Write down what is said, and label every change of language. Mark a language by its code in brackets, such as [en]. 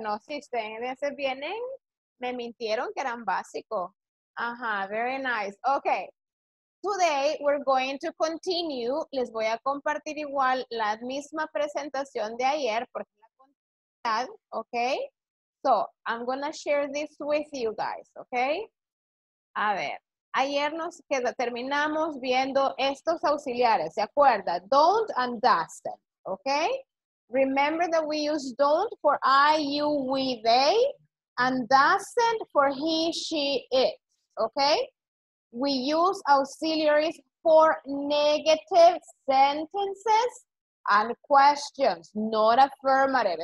[es] No, si ustedes vienen, me mintieron que eran básico. [en] Ajá, very nice. Okay. Today, we're going to continue. [es] Les voy a compartir igual la misma presentación de ayer. Porque la continuidad, okay. [en] So, I'm going to share this with you guys, okay. [es] A ver. Ayer nos quedó, terminamos viendo estos auxiliares, ¿se acuerda? [en] Don't and doesn't, okay? Remember that we use don't for I, you, we, they, and doesn't for he, she, it, okay? We use auxiliaries for negative sentences and questions, not affirmative.